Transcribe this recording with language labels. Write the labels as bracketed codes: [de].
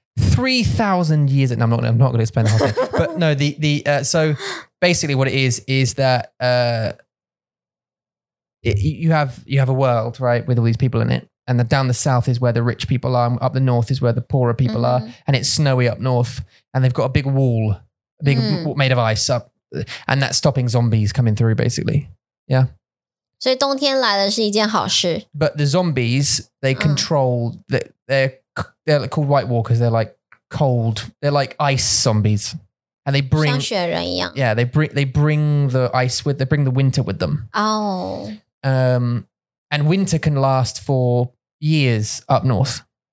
[en] 3,000 years, and I'm not going to explain the whole thing, but no, so basically what it is that you have a world, right, with all these people in it, and down the south is where the rich people are, and up the north is where the poorer people are, and it's snowy up north, and they've got a big wall, a big made of ice up, and that's stopping zombies coming through, basically, yeah. [zh] 所以冬天来了是一件好事。 [en] But the zombies, they control, they're called White Walkers, they're like cold, they're like ice zombies. And they bring... [zh] 像雪人一样。 [en] Yeah, they bring the ice with, they bring the winter with them. Oh. And winter can last for years up north.